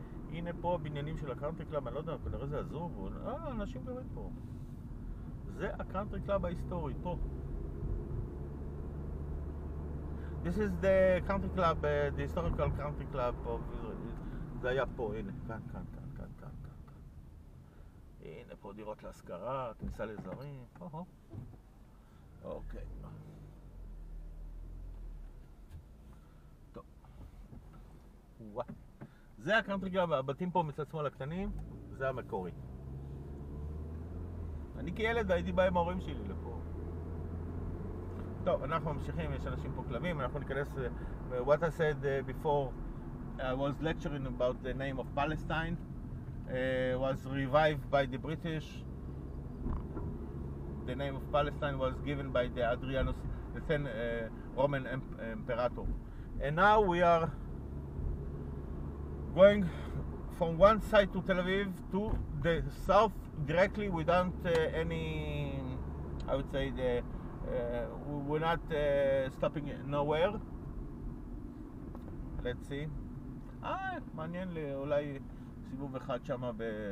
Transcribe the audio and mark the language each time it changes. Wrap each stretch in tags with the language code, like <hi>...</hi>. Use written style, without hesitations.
<he>הנה פה הבניינים של הקאנטרי קלאב, אני לא יודע, כנראה זה עזוב, אנשים באמת פה. זה הקאנטרי קלאב ההיסטורי, פה.</he> <en>This is the country club, the historical country club of Israel.</en> <he>זה היה פה, הנה, כאן. הנה פה דירות להשכרה, כניסה לזרים, אוקיי. זה הקאנטרי קלאב, הבתים פה מצד שמאל הקטנים, זה המקורי. אני כילד הייתי בא עם ההורים שלי לפה. טוב, אנחנו ממשיכים, יש אנשים פה כלבים, אנחנו ניכנס...</he> <en>What I said before, I was lecturing about the name of Palestine, was revived by the British. The name of Palestine was given by the Adrianus, the then Roman Emperor. And now we are... going from one side to Tel Aviv to the south directly without any, I would say, the, we're not stopping nowhere. Let's see.</en> <he>מעניין לי, אולי סיבוב אחד שם ב...</he>